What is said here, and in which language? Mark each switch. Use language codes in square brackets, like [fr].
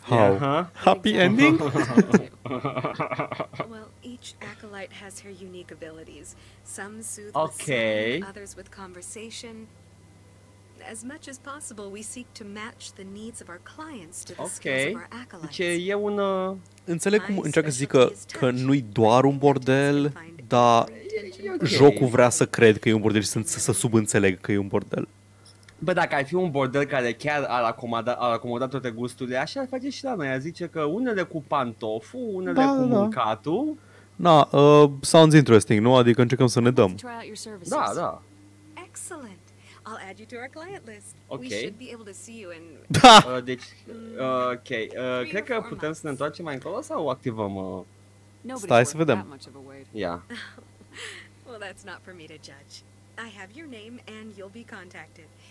[en] How? Uh-huh. Happy ending? Well, each acolyte has her unique abilities. Some soothe okay. the soul, others with conversation. As much as possible, we seek to match the needs of our clients to the okay. skills of our acolytes. [ro] Ce e una... Înțeleg cum încearcă să zică că nu-i doar un bordel, dar jocul vrea să cred că e un bordel și să subînțeleg că e un bordel. Bă, dacă ar fi un bordel care chiar ar acomoda toate gusturile, așa ar face și la noi. Ar zice că unele cu pantoful, unele da, cu mâncatul. [en] Na, sounds interesting, nu? [ro] Adică încercăm să ne dăm. Da, da. [en] Excellent. I'll add you to our client list. [ro] Ok. [en] We should be able to see you in... [ro] Da! Ok. Cred că putem să ne întoarcem mai încolo sau o activăm? Stai să vedem. [en] Yeah. Well, that's not for me to judge. I have your name and you'll be contacted.